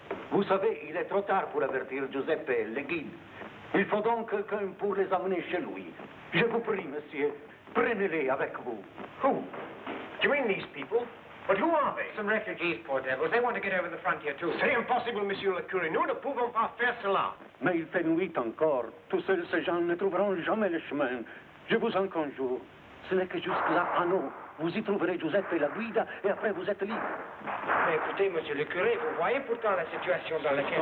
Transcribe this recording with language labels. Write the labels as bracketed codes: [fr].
[fr] Vous savez, il est trop tard pour avertir Giuseppe, le guide. Il faut donc quelqu'un pour les amener chez lui. Je vous prie, monsieur, prenez-les avec vous. [en] Who? Do you mean these people? But who are they? Some refugees, poor devils. They want to get over the frontier, too. [fr] C'est impossible, monsieur le curé. Nous ne pouvons pas faire cela. Mais il fait nuit encore. Tous ces gens ne trouveront jamais le chemin. Je vous en conjure. Ce n'est que jusque là, à nous. Vous y trouverez Giuseppe et la guida, et après vous êtes libre. Mais écoutez, monsieur le curé, vous voyez pourtant la situation dans laquelle...